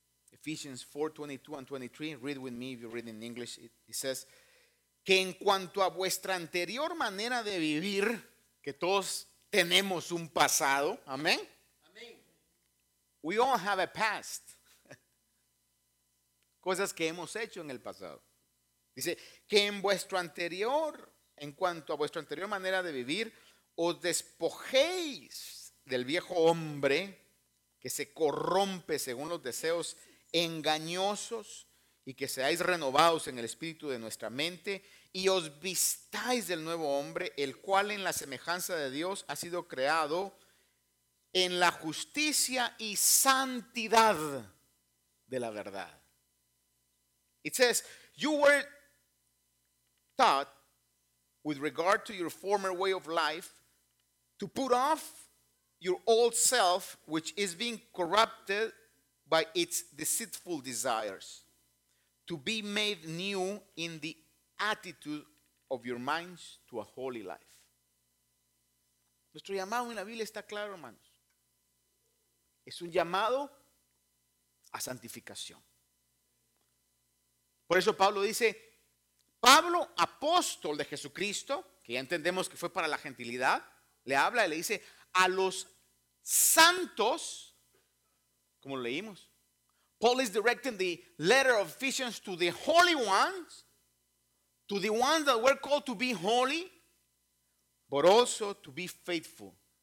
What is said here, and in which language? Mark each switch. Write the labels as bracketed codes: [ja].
[en] Ephesians 4, 22 and 23, read with me if you read in English. It says, [es] que en cuanto a vuestra anterior manera de vivir, que todos tenemos un pasado, amén. Amén. [en] We all have a past. [es] Cosas que hemos hecho en el pasado. Dice, que en cuanto a vuestra anterior manera de vivir, os despojéis del viejo hombre que se corrompe según los deseos engañosos, y que seáis renovados en el espíritu de nuestra mente, y os vistáis del nuevo hombre, el cual en la semejanza de Dios ha sido creado en la justicia y santidad de la verdad. [en] It says, you were taught with regard to your former way of life to put off your old self, which is being corrupted by its deceitful desires, to be made new in the attitude of your minds to a holy life. [es] Nuestro llamado en la Biblia está claro, hermanos. Es un llamado a santificación. Por eso Pablo dice, Pablo, apóstol de Jesucristo, que ya entendemos que fue para la gentilidad, le habla y le dice, a los santos, como lo leímos, [en] Paul is directing the letter of Ephesians to the holy ones, to the ones that were called to be holy, but also to be faithful.